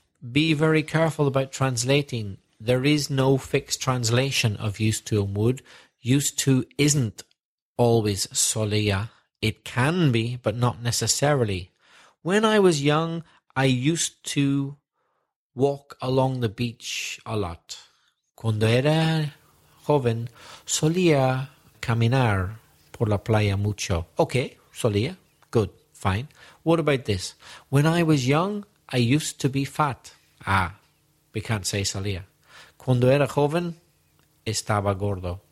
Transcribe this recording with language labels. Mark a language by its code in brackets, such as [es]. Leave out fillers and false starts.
[en] Be very careful about translating. There is no fixed translation of used to and would. Used to isn't always solía. It can be, but not necessarily. When I was young, I used to walk along the beach a lot. [es] Cuando era joven, solía caminar por la playa mucho. [en] Okay, solía. Good, fine. What about this? When I was young, I used to be fat. We can't say solía. [es] Cuando era joven, estaba gordo.